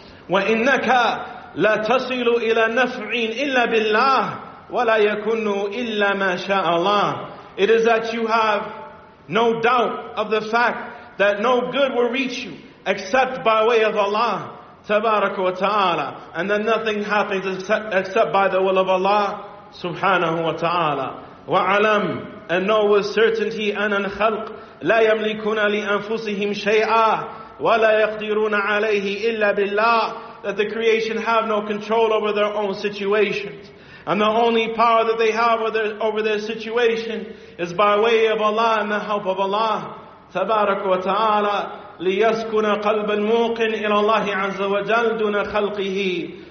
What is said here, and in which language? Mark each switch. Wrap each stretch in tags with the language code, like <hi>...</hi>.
<ar>وَإِنَّكَ لَتَصِلُ إِلَى نَفْعٍ إِلَّا بِاللَّهِ وَلَا يَكُنُّ إِلَّا مَا شَاءَ اللَّهِ.</ar> <en>It is that you have no doubt of the fact that no good will reach you except by way of Allah, تَبَارَكُ وَتَعَالَى, and that nothing happens except by the will of Allah, سُبْحَانَهُ وَتَعَالَى.</en> <ar>وَعَلَمْ,</ar> <en>and know with certainty,</en> <ar>أَنَ الْخَلْقُ لَا يَمْلِكُنَ لِأَنفُسِهِمْ شَيْئًا وَلَا يَقْدِرُونَ عَلَيْهِ إِلَّا بِاللَّهِ.</ar> <en>That the creation have no control over their own situations. And the only power that they have over their situation is by way of Allah and the help of Allah.</en> <ar>تبارك وتعالى لِيَسْكُنَ قَلْبَ الْمُوقِنِ إِلَى اللَّهِ عَزَّ وَجَلْ دُونَ خَلْقِهِ.</ar>